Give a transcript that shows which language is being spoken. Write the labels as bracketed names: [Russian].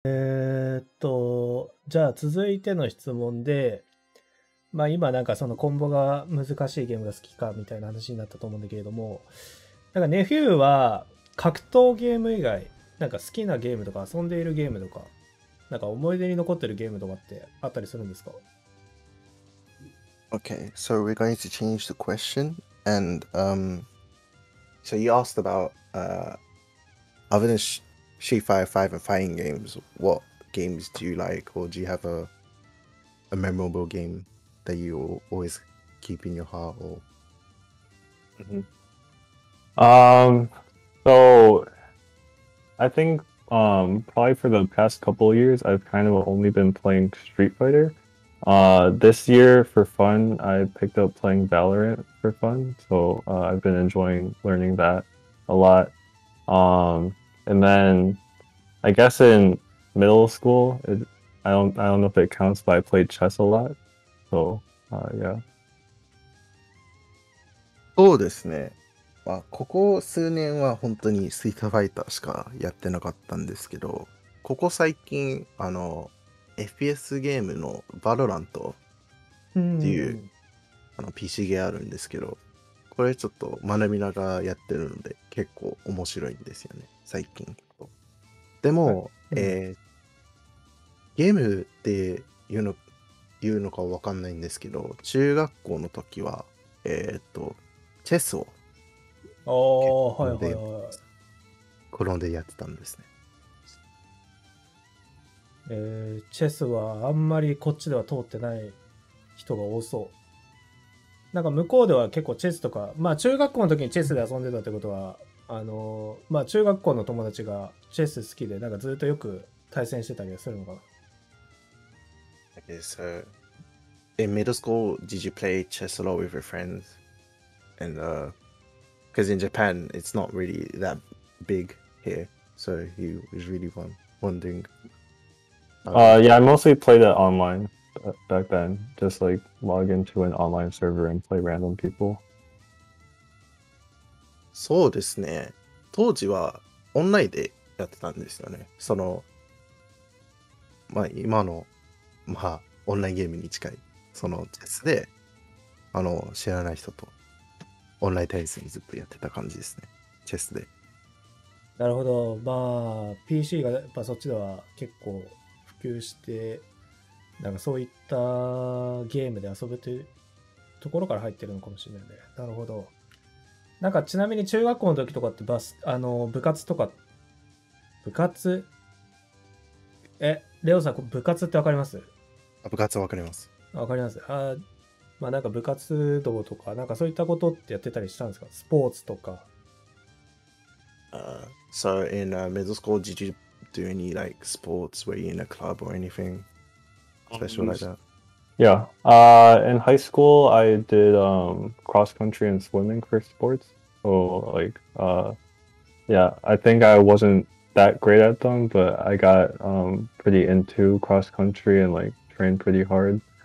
[Japanese] じゃあ続いての質問で、まあ今なんかそのコンボが難しいゲームが好きかみたいな話になったと思うんだけれども、なんかネフューは格闘ゲーム以外、なんか好きなゲームとか遊んでいるゲームとか、なんか思い出に残ってるゲームとかってあったりするんですか？ [English] Okay, so we're going to change the question and so you asked about other than Street Fighter 5 and fighting games, what games do you like, or do you have a memorable game that you always keep in your heart? Or... So I think probably for the past couple of years, I've kind of only been playing Street Fighter. This year, for fun, I picked up playing Valorant for fun, so I've been enjoying learning that a lot. And then, I guess in middle school, I don't know if it counts, but I played chess a lot. So, yeah. [Japanese] そうですね。まあ、ここ数年は本当にスイートファイターしかやってなかったんですけど、ここ最近、あの、FPS ゲームのバロラントっていう、あの、PC ゲームあるんですけど、これちょっと学びながらやってるので結構面白いんですよね最近。でも、はい、ゲームっていうの言うのかわかんないんですけど、中学校の時はチェスを転んでやってたんですね。チェスはあんまりこっちでは通ってない人が多そう。なんか向こうでは結構チェスとか、まあ中学校の時にチェスで遊んでたってことは、まあ中学校の友達がチェス好きで、なんかずっとよく対戦してたりするのかな。 [English] Okay, so in middle school, did you play chess a lot with your friends? And, because in Japan, it's not really that big here, so he was really wondering. Yeah, I mostly played it online. Back then, just like log into an online server and play random people. [Japanese] そうですね。当時はオンラインでやってたんですよね。その、まあ今の、まあオンラインゲームに近い、そのチェスで、あの、知らない人とオンライン対戦ずっとやってた感じですね。チェスで。なるほど。まあ、PC がやっぱそっちでは結構普及して、なんかそういったゲームで遊ぶというところから入ってるのかもしれないね。なるほど。なんかちなみに中学校の時とかってあの部活とか、部活、レオさん、部活ってわかります？あ、部活はわかります。わかります。あ、まあなんか部活動とか、なんかそういったことってやってたりしたんですか？スポーツとか。 [English] So in middle school, did you do any like sports? Were you in a club or anything? Special like that. Yeah. In high school, I did cross country and swimming for sports. So, like, yeah, I think I wasn't that great at them, but I got pretty into cross country and like trained pretty hard.